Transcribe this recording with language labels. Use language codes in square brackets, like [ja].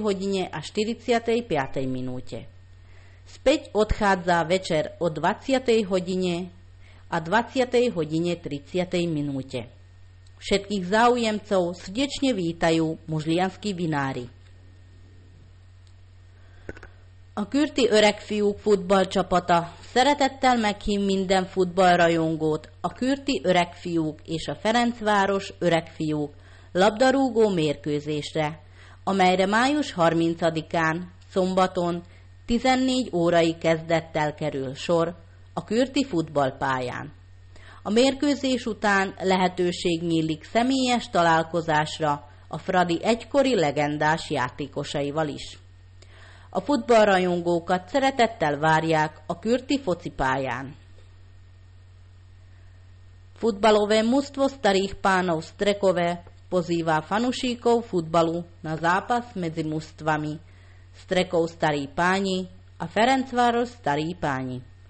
[sk] hodine a 45. minúte. Späť odchádza večer o 20. hodine a 20. hodine 30. minúte. Všetkých záujemcov srdečne vítajú mužliansky vinári. [hu] A kürti öregfiúk futballcsapata szeretettel meghív minden futballrajongót a kürti öregfiúk és a Ferencváros öregfiúk labdarúgó mérkőzésre, amelyre május 30-án, szombaton 14 órai kezdettel kerül sor a kürti futballpályán. A mérkőzés után lehetőség nyílik személyes találkozásra a Fradi egykori legendás játékosaival is. A futballrajongókat szeretettel várják a kürti focipályán. [sk] Futbalové mužstvo starých pánov Strekove pozýva fanušíkov futbalu na zápas medzi mužstvami Strekov starí páni a Ferencváros starí páni.